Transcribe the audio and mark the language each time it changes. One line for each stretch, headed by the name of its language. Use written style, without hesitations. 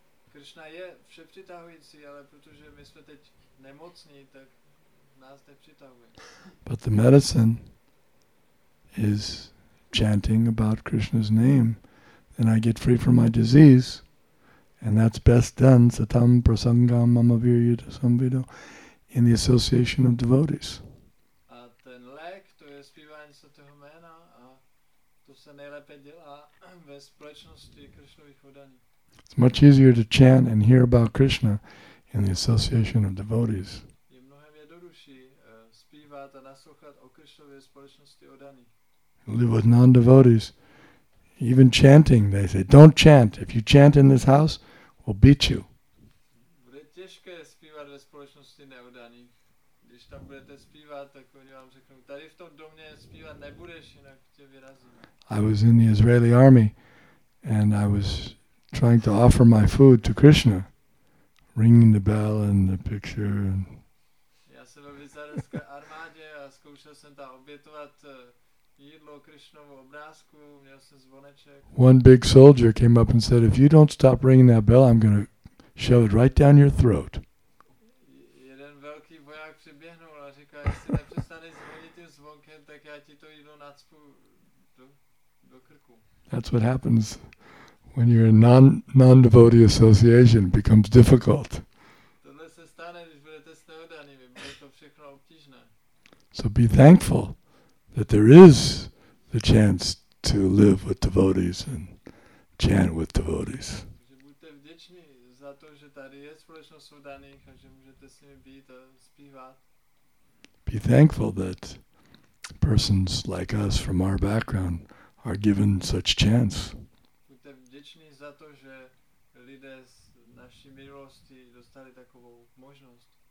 Czech: Krishna je vše přitahující, ale protože my jsme teď nemocní, tak nás nepřitahuje.
English: But the medicine is chanting about Krishna's name, then I get free from my disease, and that's best done
Sanskrit: satam prasangam amavirya samvido
English: in the association of devotees.
Czech: A ten lék, to je zpívání svatého jména, a to se nejlépe dělá ve společnosti Krishnových odaní.
English: It's much easier to chant and hear about Krishna in the association of devotees.
Czech: Je mnohem jednodušší zpívat a naslouchat o Krishnově společnosti odaní.
English: Live with non-devotees, even chanting, they say, don't chant. If you chant in this house, we'll beat you.
Czech: Bude těžké zpívat ve společnosti neodaných. Když tam budete zpívat, tak oni vám řeknou, tady v tom domě zpívat nebudeš, jinak tě vyrazíme.
English: I was in the Israeli army, and I was trying to offer my food to Krishna, ringing the bell and the picture. And
Czech: já jsem v izraelské armádě a zkoušel jsem tam obětovat jídlo, Krishnovu obrázku, měl jsem zvoneček.
English: One big soldier came up and said, if you don't stop ringing that bell, I'm going to shove it right down your throat.
Czech: Jeden velký voják přiběhnul a říká, jestli nepřestaneš zvonit tím zvonkem, tak já ti to jdu nacpu do krku.
English: That's what happens when your non-devotee association becomes difficult.
Czech: Tohle se stane, když budete s neodanými, bude to všechno obtížné.
English: So be thankful that there is the chance to live with devotees and chant with devotees.
Czech: Buďte vděční za to, že tady je společnost oddaných a že můžete s nimi být a zpívat.
English: Be thankful that persons like us from our background are given such chance.
Czech: Buďte vděční za to, že lidé z naší minulosti dostali takovou možnost.